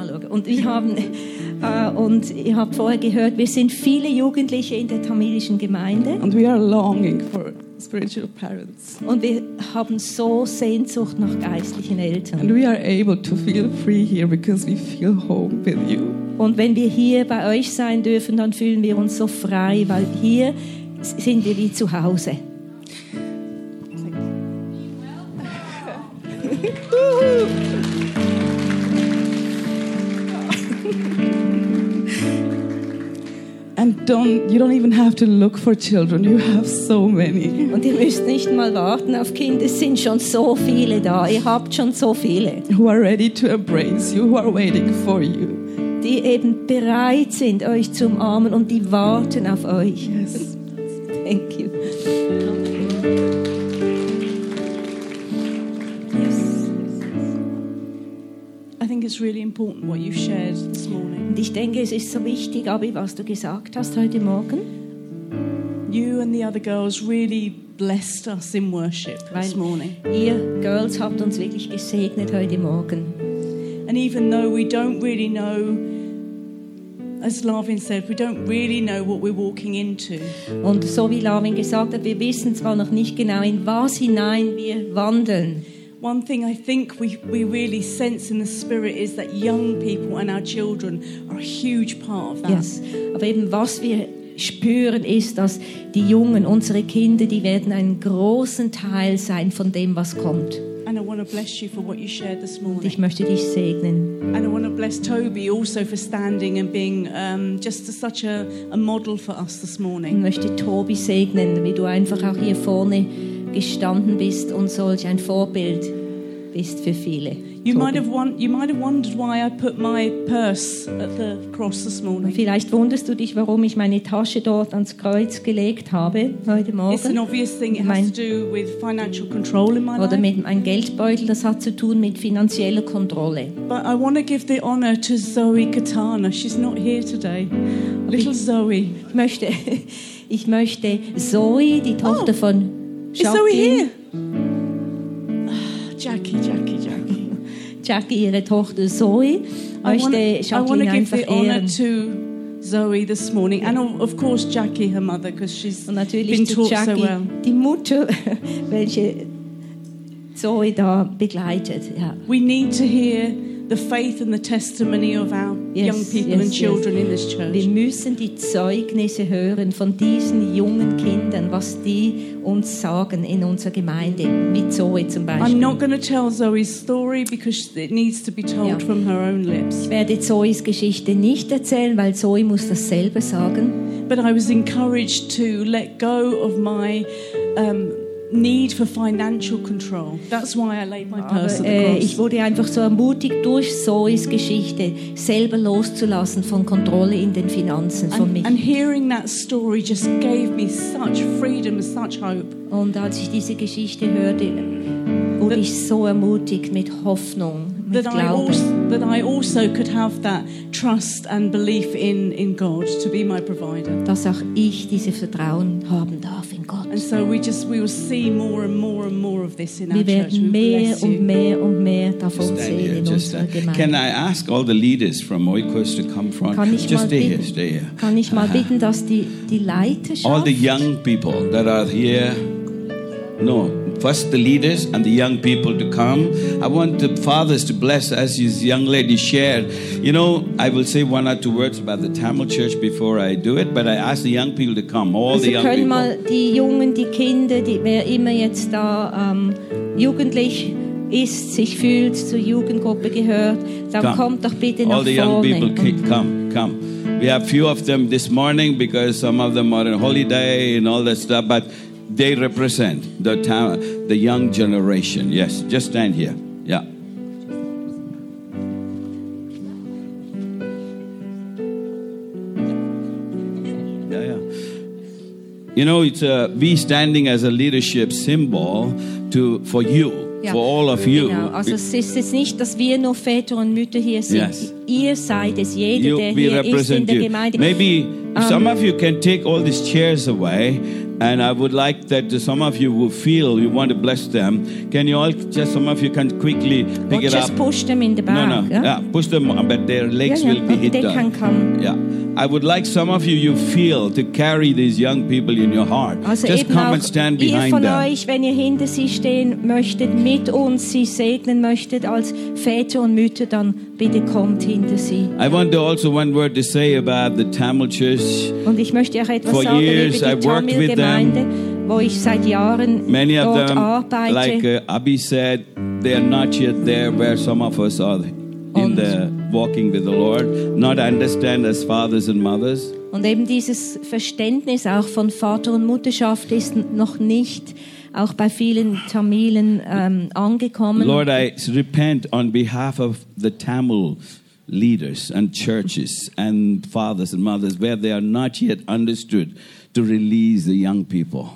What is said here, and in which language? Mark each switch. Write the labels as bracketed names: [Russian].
[German] Und wir haben und ihr habt vorher gehört, wir sind viele Jugendliche in der tamilischen Gemeinde. [English] And we are longing for spiritual parents. [German] Und wir haben so Sehnsucht nach geistlichen Eltern. [English] And we are able to feel free here because we feel home with you. [German] Und wenn wir hier bei euch sein dürfen, dann fühlen wir uns so frei, weil hier sind wir wie zu Hause. [English] You don't even have to look for children. You have so many. [German] Und ihr müsst nicht mal warten auf Kinder. Es sind schon so viele da. Ihr habt schon so viele. [English] Who are ready to embrace you? Who are waiting for you? [German] Die eben bereit sind, euch zu umarmen, und die warten auf euch. [English] Yes. Thank you. It's really important what you've shared this morning. [German] Und ich denke, es ist so wichtig, Abby, was du gesagt hast heute Morgen. [English] You and the other girls really blessed us in worship this morning. [German] Ihr Girls habt uns wirklich gesegnet heute Morgen. [English] And even though we don't really know, as Lavin said, we don't really know what we're walking into. [German] Und so wie Lavin gesagt hat, wir wissen zwar noch nicht genau, in was hinein wir wandeln. [English] One thing I think we really sense in the spirit is that young people and our children are a huge part of that. Yes. [German] Aber eben was wir spüren ist, dass die Jungen, unsere Kinder, die werden einen großen Teil sein von dem, was kommt. [English] And I want to bless you for what you shared this morning. [German] Und ich möchte dich segnen. [English] And I want to bless Toby also for standing and being just such a model for us this morning. [German] Ich möchte Toby segnen, wie du einfach auch hier vorne gestanden bist und solch ein Vorbild bist für viele. [English] You might have wondered why I put my purse at the cross this morning. [German] Vielleicht wunderst du dich, warum ich meine Tasche dort ans Kreuz gelegt habe heute Morgen. [English] It's an obvious thing. It has to do with financial control in my life. [German] Oder mit einem Geldbeutel. Das hat zu tun mit finanzieller Kontrolle. [English] But I want to give the honor to Zoe Katana. She's not here today. Little Zoe. [German] Ich möchte Zoe, die Tochter von [English] Jackie. Is Zoe here? Jackie, [German] ihre Tochter Zoe. [English] I want to give the honor to Zoe this morning, and of course Jackie, her mother, because she's been taught Jackie, so well. [German] Die Mutter, welche Zoe da begleitet. Yeah. [English] We need to hear the faith and the testimony of our young people and children in this church. [German] Wir müssen die Zeugnisse hören von diesen jungen Kindern, was die uns sagen in unserer Gemeinde, mit Zoe zum Beispiel. [English] I'm not going to tell Zoe's story because it needs to be told from her own lips. [German] Ich werde Zoes Geschichte nicht erzählen, weil Zoe muss das selber sagen. [English] But I was encouraged to let go of my need for financial control. That's why I laid my purse at the cross. [German] Ich wurde einfach so ermutigt, durch Zoes Geschichte selber loszulassen von Kontrolle in den Finanzen von mich. [English] And hearing that story just gave me such freedom, such hope. [German] Und als ich diese Geschichte hörte, wurde ich so ermutigt mit Hoffnung, mit Glauben. [English] That I also could have that trust and belief in God to be my provider. [German] Dass auch ich dieses Vertrauen haben darf in Gott. [English] And so we will see more and more and more of this in our church. [German] Wir werden mehr und mehr und mehr davon sehen in unserer Gemeinde. [English] Can I ask all the leaders from Oikos to come front? [German] Kann ich mal bitten, dass die Leiterschaft? [English] All the young people that are here. No. First the leaders and the young people to come. I want the fathers to bless us, as young lady shared. You know, I will say one or two words about the Tamil church before I do it, but I ask the young people to come, the young people. [German] Also können mal die Jungen, die Kinder, die wer immer jetzt da jugendlich ist, sich fühlt, zur Jugendgruppe gehört, dann kommt doch bitte nach vorne. [English] All the young people, come. We have few of them this morning because some of them are on holiday and all that stuff, but They represent the town, the young generation. Yes, just stand here. Yeah. You know, it's we standing as a leadership symbol to for you, yeah, for all of you. [German] Genau. Also, es ist nicht, dass wir nur Väter und Mütter hier sind. Yes. Ihr seid es, jeder, you, der hier ist in der Gemeinde. [English] Maybe some of you can take all these chairs away, and I would like that some of you will feel you want to bless them. Can you all just, some of you can quickly pick it up? Just push them in the back. No, no, yeah, yeah, push them, but their legs, yeah, will, yeah, be hit. They can come. Yeah. I would like some of you, you feel, to carry these young people in your heart. [German] Also [English] just come [German] auch [English] and stand behind [German] von [English] them. [German] Euch, wenn ihr hinter sie stehen möchtet, mit uns sie segnen möchtet als Väter und Mütter, dann bitte kommt hinter sie. [English] I want to also one word to say about the Tamil Church. [German] Und ich möchte auch etwas [English] for [German] sagen [English] years, [German] über die [English] I've worked [German] Tamil [English] with them, [German] wo ich seit Jahren [English] many of them, [German] arbeite. [English] Like Abby said, they are not yet there where some of us are in the walking with the Lord, not understand as fathers and mothers. [German] Und eben dieses Verständnis auch von Vater und Mutterschaft ist noch nicht auch bei vielen Tamilen angekommen. [English] Lord, I repent on behalf of the Tamil leaders and churches and fathers and mothers where they are not yet understood to release the young people.